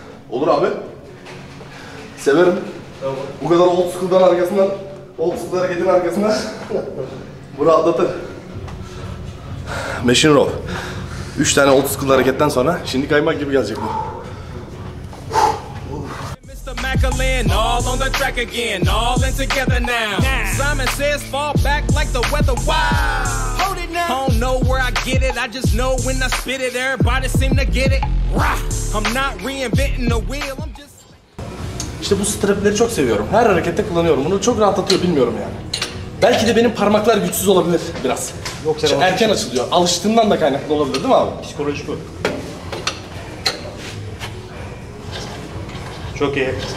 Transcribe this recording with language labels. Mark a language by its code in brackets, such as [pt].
[tr] Olur abi. Severim. Tamam. Bu kadar old school'dan arkasından, old school hareketin arkasından. Bu rahatlatır. [en] Machine roll. [tr] 3 tane old school hareketten sonra şimdi kaymak gibi gelecek bu. [en] All on the track again, all in together now. Simon says fall back like the weather. Wow. Hold it now. I don't know where I get it. I just know when I spit it, everybody seem to get it. I'm not reinventing the wheel. I'm just. [tr] İşte bu strapleri çok seviyorum. Her harekette kullanıyorum. Bunu çok rahatlatıyor, bilmiyorum yani. Belki de benim parmaklar güçsüz olabilir biraz. Yok canım. Erken açılıyor. Alıştığından da kaynaklı olabilir, değil mi abi? Psikolojik bu. Çok iyi.